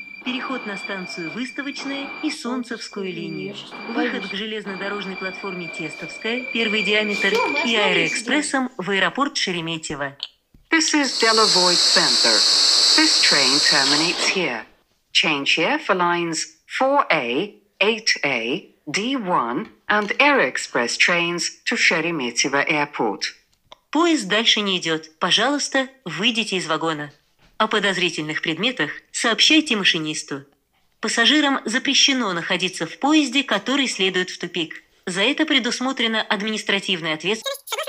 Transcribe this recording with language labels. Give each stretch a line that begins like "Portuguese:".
Russian: Переход на станцию Выставочная и Солнцевскую линию. Выход к железнодорожной платформе Тестовская, первый диаметр, все, и аэроэкспрессом здесь. В аэропорт Шереметьево.
English: This is Деловой Центр. This train terminates here. Change here for lines 4A, 8A, D1 and Aeroexpress trains to Шереметьево Airport.
Russian: Поезд дальше не идет. Пожалуйста, выйдите из вагона. О подозрительных предметах сообщайте машинисту. Пассажирам запрещено находиться в поезде, который следует в тупик. За это предусмотрена административная ответственность.